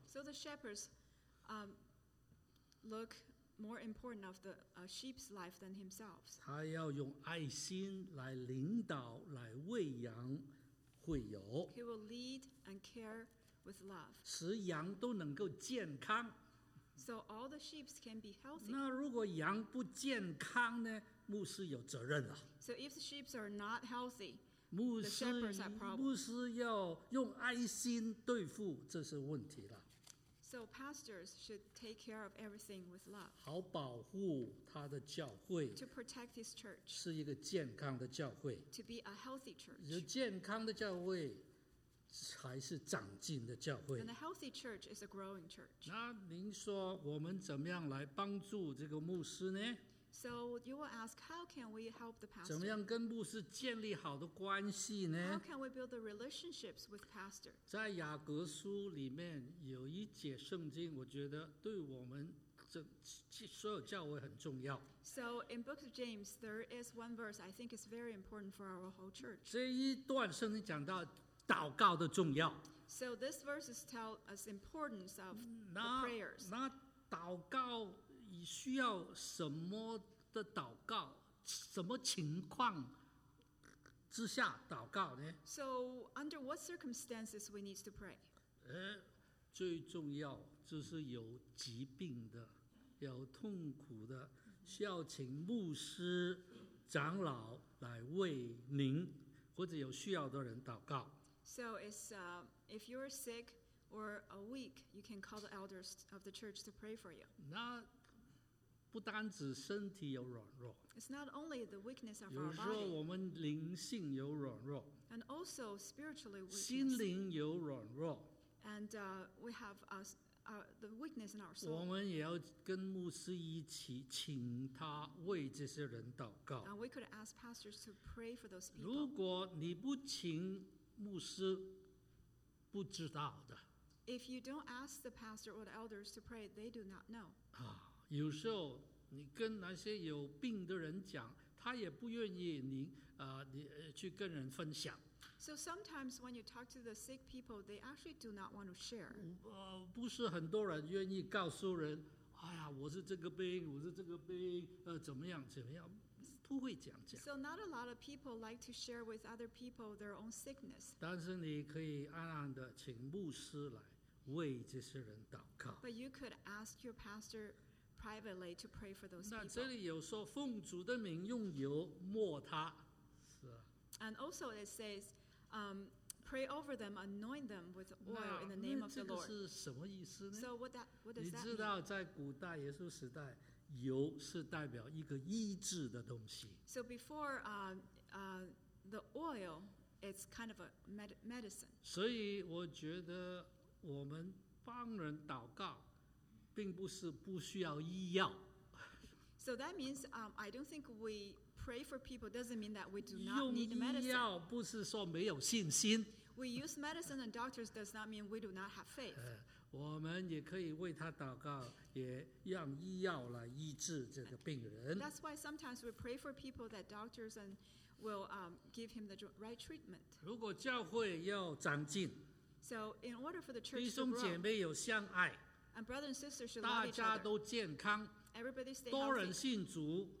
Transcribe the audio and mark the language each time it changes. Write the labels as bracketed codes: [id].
[en] So the shepherds, look more important of the sheep's life than himself. [zh] 他要用爱心来领导、来喂养会友。 [en] He will lead and care with love. [zh] 使羊都能够健康。 [en] So all the sheep can be healthy. [zh] 那如果羊不健康呢？牧师有责任啊。 [en] So if the sheep are not healthy, the shepherds have problems. [zh] 牧师要用爱心对付这些问题了。 [en] So pastors should take care of everything with love. [zh] 好保护他的教会。 [en] To protect his church. [zh] 是一个健康的教会。 [en] To be a healthy church. [zh] 有健康的教会。才是长进的教会。 [en] And a healthy church is a growing church. [zh] 那您说我们怎么样来帮助这个牧师呢？ [en] So you will ask, how can we help the pastor? [zh] 怎么样跟牧师建立好的关系呢？ [en] How can we build the relationships with pastor? [zh] 在雅各书里面有一节圣经，我觉得对我们所有教会很重要。 [en] So in book of James, there is one verse I think is very important for our whole church. [zh] 这一段圣经讲到祷告的重要。 [en] So this verse is tell us the importance of the prayers. [zh] 那祷告需要什么的祷告？什么情况之下祷告呢？ [en] So under what circumstances we need to pray? [zh] 最重要就是有疾病的，有痛苦的，需要请牧师、长老来为您或者有需要的人祷告。 [en] So it's if you're sick or a weak, you can call the elders of the church to pray for you. [zh] 那不单只身体有软弱。 [en] It's not only the weakness of our body. [zh] 有时候我们灵性有软弱。 [en] And also spiritually weak. [zh] 心灵有软弱。 [en] And we have the weakness in our soul. [zh] 我们也要跟牧师一起请他为这些人祷告。 [en] And we could ask pastors to pray for those people. [zh] 如果你不请牧师，不知道的。 [en] If you don't ask the pastor or the elders to pray, they do not know. [zh] 啊，有时候你跟那些有病的人讲，他也不愿意你去跟人分享。 [en] So sometimes when you talk to the sick people, they actually do not want to share. [zh] 不是很多人愿意告诉人，哎呀，我是这个病，我是这个病，怎么样怎么样，不会讲这样。 [en] So not a lot of people like to share with other people their own sickness. [zh] 但是你可以暗暗的请牧师来为这些人祷告。 [en] But you could ask your pastor privately to pray for those people. [zh] 那这里有说奉主的名用油抹他。 [en] And also it says, pray over them, anoint them with oil in the name of the Lord. [zh] 那这个是什么意思呢？ [en] So what does that [zh] 你知道在古代耶稣时代，油是代表一个医治的东西。 [en] So before the oil, it's kind of a medicine. [zh] 所以我觉得我们帮人祷告，并不是不需要医药。 [en] So that means I don't think we pray for people doesn't mean that we do not need medicine. [zh] 用医药不是说没有信心。 [en] We use medicine and doctors does not mean we do not have faith. [zh] 我们也可以为他祷告，也让医药来医治这个病人。 [en] That's why sometimes we pray for people that doctors and will give him the right treatment. [zh] 如果教会要长进， [en] So in order for the church to grow, [zh] 弟兄姐妹有相爱， [en] and brothers and sisters should love each other. [zh] 大家都健康。 [en] Everybody stay [zh] 多人信主